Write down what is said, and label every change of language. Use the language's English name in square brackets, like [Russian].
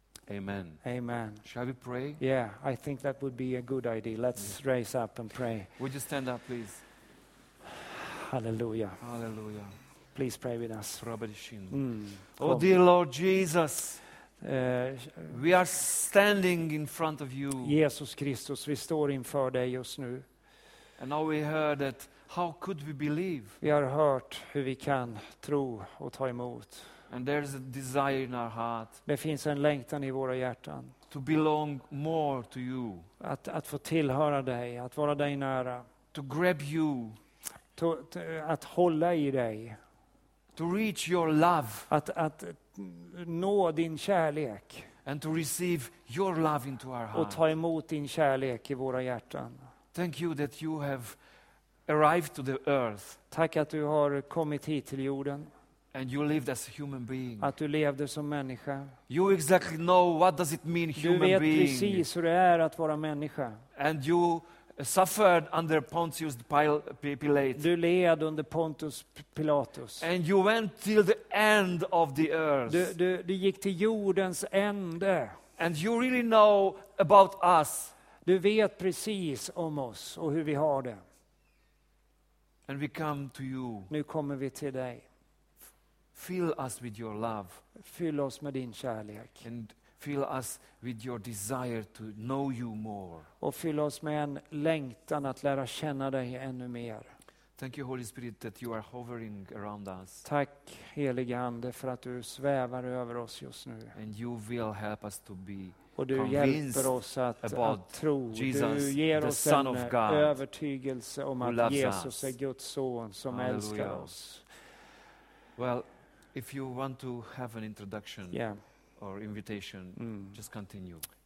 [English] Amen. Amen. Shall we pray? Yeah, I think that would be a good idea. Let's raise up and pray. Would you stand up, please? Hallelujah. Hallelujah. Please pray with us. Oh dear Lord Jesus. We are standing in front of you. [Swedish] Jesus Kristus, vi står inför dig just nu. [English] And now we heard that. How could we believe? [Swedish] Vi har hört hur vi kan tro och ta emot. [English] And there is a desire in our heart. [Swedish] Det finns en längtan i våra hjärtan. [English] To belong more to you. [Swedish] Att få tillhöra dig, att vara dig nära. [English] To grab you. [Swedish] Att hålla i dig. [English] To reach your love. [Swedish] Att nå din kärlek. [English] And to receive your love into our heart. [Swedish] Och ta emot din kärlek i våra hjärtan. [English] Thank you that you have arrived to the earth. [Swedish] Tack att du har kommit hit till jorden. [English] And you lived as a human being. [Swedish] Att du levde som människa. [English] You exactly know what does it mean human being. [Swedish] Du vet precis hur det är att vara människa. [English] And you suffered under Pontius Pilate. [Swedish] Du led under Pontius Pilatus. [English] And you went till the end of the earth. [Swedish] Du gick till jordens ände. [English] And you really know about us. [Swedish] Du vet precis om oss och hur vi har det. [English] And we come to you. [Swedish] Nu kommer vi till dig. [English] Fill us with your love. [Swedish] Fyll oss med din kärlek. [English] And fill us with your desire to know you more. [Swedish] Och fyll oss med en längtan att lära känna dig ännu mer. [English] Thank you Holy Spirit that you are hovering around us. [Swedish] Tack helige ande för att du svävar över oss just nu. [English] And you will help us to be. [Swedish] Och du hjälper oss att tro. [English] Jesus, [Swedish] du ger oss en [English] God, [Swedish] övertygelse om att Jesus är Guds son som [English] Hallelujah. [Swedish] Älskar oss. [English] Well, if you want to have an introduction yeah. or invitation, just continue.